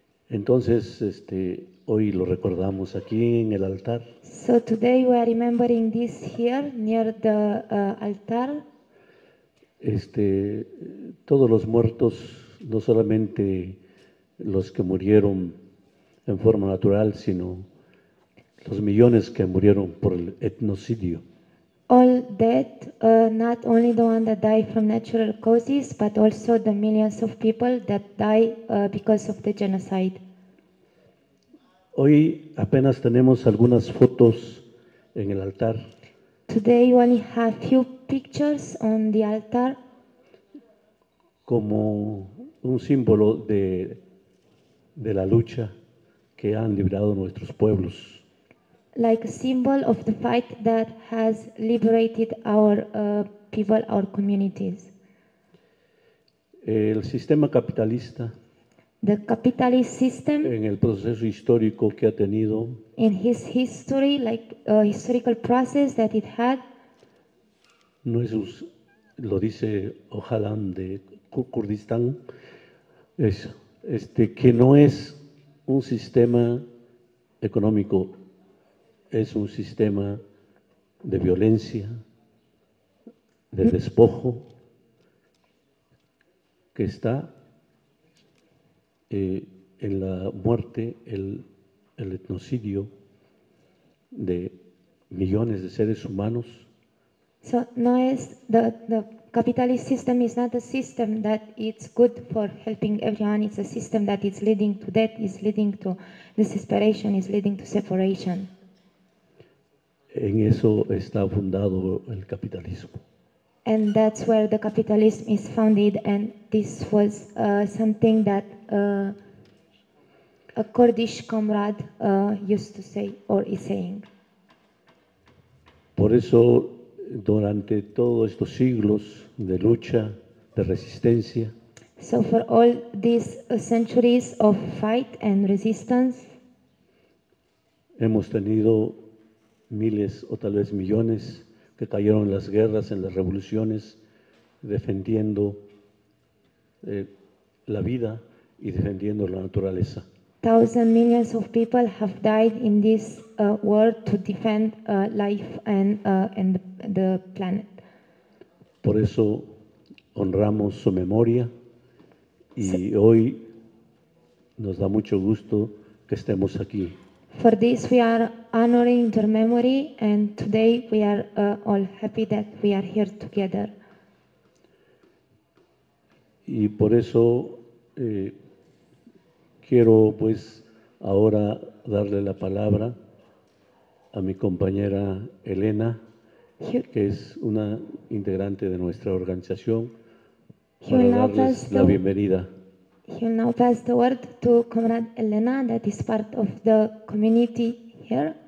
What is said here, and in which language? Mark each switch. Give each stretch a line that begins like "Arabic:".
Spanish: Entonces, hoy lo recordamos aquí en el altar.
English: So today we are remembering this here near the altar.
Spanish: Todos los muertos, no solamente los que murieron en forma natural, sino los millones que murieron por el etnocidio.
English: All dead, not only the one that died from natural causes, but also the millions of people that die because of the genocide.
Spanish: Hoy apenas tenemos algunas fotos en el altar.
English: Today we only have few pictures on the altar.
Spanish: Como un símbolo de la lucha que han librado nuestros pueblos.
English: Like a symbol of the fight that has liberated our people, our communities.
Spanish: El sistema capitalista.
English: The capitalist system.
Spanish: En el proceso histórico que ha tenido.
English: In his history, like a historical process that it had.
Spanish: No es, lo dice Ocalan de Kurdistán, es que no es un sistema económico. Es un sistema de violencia, de despojo, que está en la muerte, el etnocidio de millones de seres humanos.
English: So
Spanish: no es
English: the capitalist system is not a system that it's good for helping everyone. It's a system that is leading to death, is leading to desperation, is leading to separation.
Spanish: En eso está fundado el capitalismo.
English: And that's where the capitalism is founded, and this was something that a Kurdish comrade used to say or is saying.
Spanish: Por eso, durante todos estos siglos de lucha, de resistencia.
English: So for all these centuries of fight and resistance,
Spanish: hemos tenido miles o tal vez millones que cayeron en las guerras, en las revoluciones, defendiendo la vida y defendiendo la naturaleza.
English: Thousands, millions of people have died in this world to defend life and the planet.
Spanish: Por eso honramos su memoria y hoy nos da mucho gusto que estemos aquí.
English: For this we are honoring your memory and today we are all happy that we are here together.
Spanish: Y por eso quiero pues ahora darle la palabra a mi compañera Elena, que es una integrante de nuestra organización, para darles la bienvenida.
English: He'll now pass the word to Comrade Elena, that is part of the community here.